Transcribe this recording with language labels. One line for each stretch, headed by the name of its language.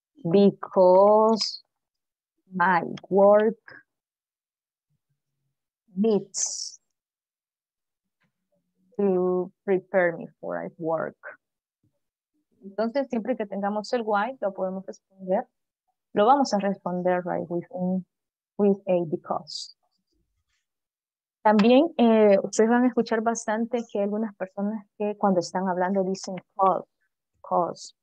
English: Because my work needs to prepare me for my work.
Spanish: Entonces, siempre que tengamos el why, lo podemos responder. Lo vamos a responder,
English: right,
Spanish: with a because. También, ustedes van a escuchar bastante que algunas personas que cuando están hablando dicen cause.